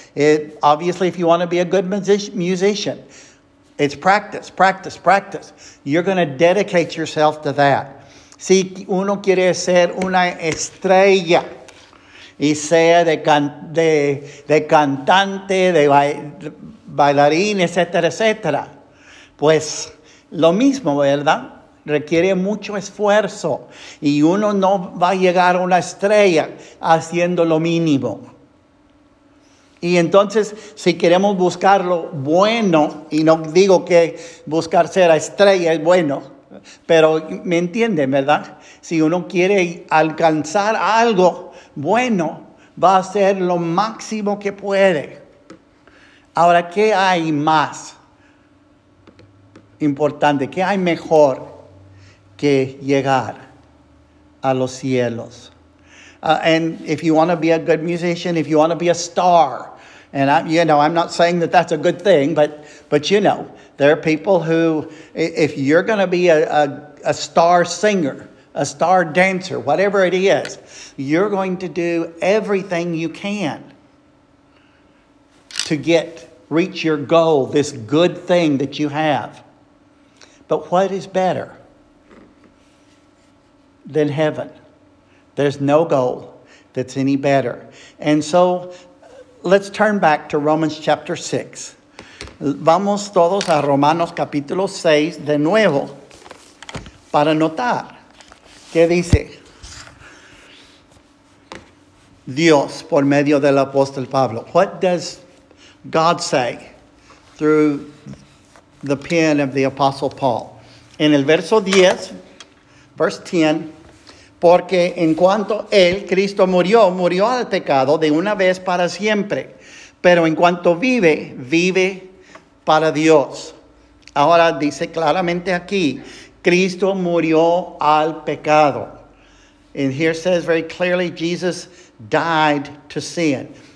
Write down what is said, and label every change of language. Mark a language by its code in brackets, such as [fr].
[en] It, obviously, if you want to be a good musician, it's practice, practice, practice. You're going to dedicate yourself to that. [es] Si uno quiere ser una estrella, y sea de cantante, de bailarín, etcétera, etcétera, pues lo mismo, ¿verdad? Requiere mucho esfuerzo. Y uno no va a llegar a una estrella haciendo lo mínimo. Y entonces, si queremos buscar lo bueno, y no digo que buscar ser estrella es bueno, pero me entienden, ¿verdad? Si uno quiere alcanzar algo bueno, va a hacer lo máximo que puede. Ahora, ¿qué hay más importante? ¿Qué hay mejor que llegar a los cielos? [en] And if you want to be a good musician, if you want to be a star, and I, you know, I'm not saying that that's a good thing, but you know, there are people who, if you're going to be a star singer, a star dancer, whatever it is, you're going to do everything you can to get, reach your goal, this good thing that you have. But what is better than heaven? There's no goal that's any better. And so let's turn back to Romans chapter 6. [es] Vamos todos a Romanos capítulo 6 de nuevo para notar qué dice Dios por medio del apóstol Pablo. [en] What does God say through the pen of the apostle Paul? [es] En el verso 10, [en] verse 10, [es] porque en cuanto él, Cristo, murió, murió al pecado de una vez para siempre. Pero en cuanto vive, vive para Dios. Ahora dice claramente aquí, Cristo murió al pecado. [en] And here says very clearly, Jesus died to sin.